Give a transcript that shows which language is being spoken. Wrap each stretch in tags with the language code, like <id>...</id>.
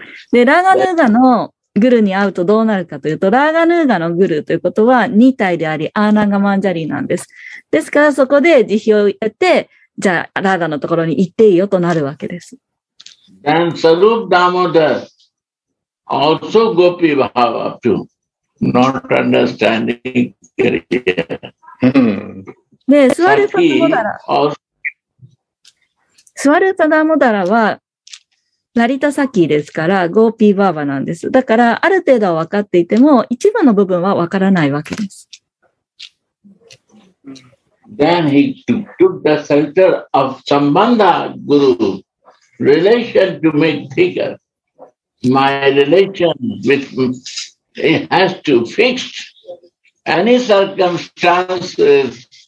<ja>で、ラーガヌーガのグルに会うとどうなるかというと、ラーガヌーガのグルということは2体であり、アーナンガマンジャリーなんです。ですから、そこで慈悲を得て、じゃあ、ラーガのところに行っていいよとなるわけです。</ja> <en>And Sarup Damodar also Gopi Bhava too, not understanding Kriya.</en> <ja>ね、スワルパダモダラ。スワルパダモダラはナリタサキですから、Gopi Bhava なんです。だからある程度は分かっていても、一番の部分は分からないわけです。</ja> <en>Then he took the center of Sambandha Guru. Relation to make bigger. My relation with it has to fix any circumstances.</en>